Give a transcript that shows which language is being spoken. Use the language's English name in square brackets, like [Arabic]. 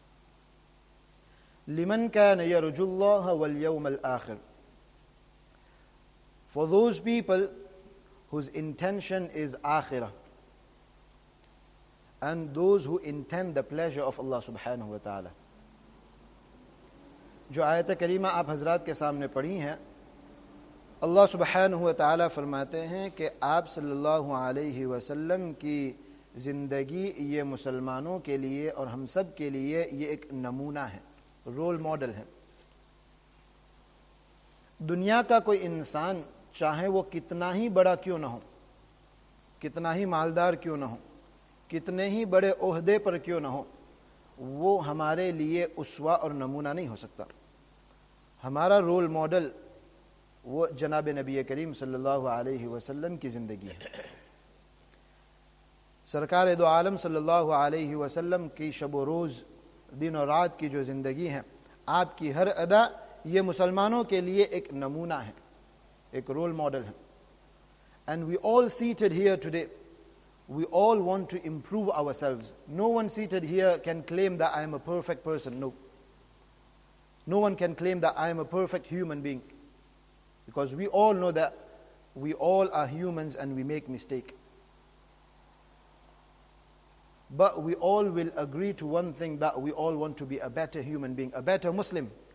[Arabic] لِمَنْ كَانَ يَرْجُ اللَّهَ وَالْيَوْمَ الْآخِرِ, [English] for those people whose intention is akhirah and those who intend the pleasure of Allah subhanahu wa ta'ala. [Urdu] جو آیت کریمہ آپ حضرات کے سامنے پڑھی ہیں, اللہ سبحانہ وتعالی فرماتے ہیں کہ آپ صلی اللہ علیہ وسلم کی زندگی یہ مسلمانوں کے لیے اور ہم سب کے لیے یہ ایک نمونہ ہے, رول ماڈل ہے. دنیا کا کوئی انسان چاہے وہ کتنا ہی بڑا کیوں نہ ہو, کتنا ہی مالدار کیوں نہ ہو, کتنے ہی بڑے عہدے پر کیوں نہ ہو, وہ ہمارے لیے اسوہ اور نمونہ نہیں ہو سکتا. ہمارا رول ماڈل وہ جناب نبی کریم صلی اللہ علیہ وسلم کی زندگی ہے. سرکار دو عالم صلی اللہ علیہ وسلم کی شب و روز, دن و رات کی جو زندگی ہے, آپ کی ہر ادا یہ مسلمانوں کے لیے ایک نمونہ ہے, ایک رول ماڈل ہے. [English] And we all seated here today, we all want to improve ourselves. No one seated here can claim that I am a perfect person. No. No one can claim that I am a perfect human being. Because we all know that we all are humans and we make mistakes. But we all will agree to one thing, that we all want to be a better human being, a better Muslim.